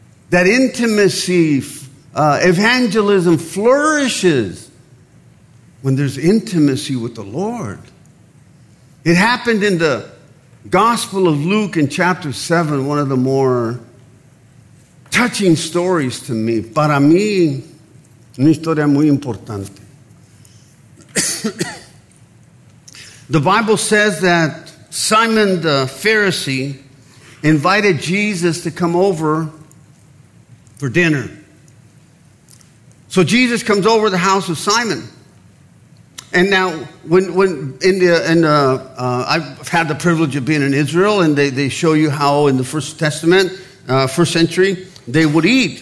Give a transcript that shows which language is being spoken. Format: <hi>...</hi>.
<en>That intimacy, evangelism flourishes. When there's intimacy with the Lord. It happened in the Gospel of Luke in chapter 7, one of the more touching stories to me.</en> <es>Para mí, una historia muy importante.</es> <en>The Bible says that Simon the Pharisee invited Jesus to come over for dinner. So Jesus comes over to the house of Simon. And now, when I've had the privilege of being in Israel, and they show you how in the First Testament, first century, they would eat.</en>